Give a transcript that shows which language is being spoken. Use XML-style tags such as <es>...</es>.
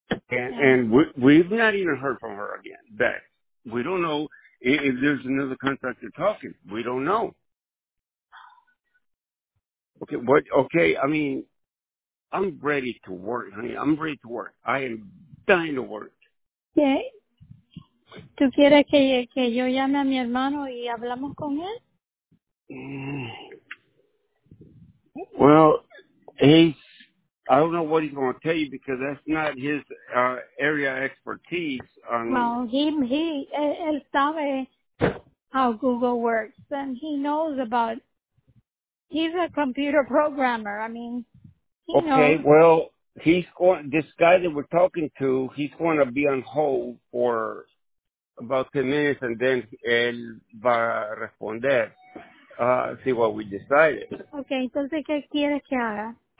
<en>And we've not even heard from her again. That we don't know if there's another contractor talking. We don't know. Okay, I mean, I'm ready to work, honey. I'm ready to work. I am dying to work. Okay.</en> <es>¿Tú quieres que yo llame a mi hermano y hablamos con él?</es> <en>Well, he's, I don't know what he's going to tell you because that's not his area of expertise. Well,</en> <es>él sabe</es> <en>how Google works and he knows about, he's a computer programmer. I mean, he knows. Well, this guy that we're talking to, he's going to be on hold for about 10 minutes and then</en> <es>él va a responder.</es> <en>See what we decided.</en> <es>Okay, entonces, ¿qué quieres que haga?</es>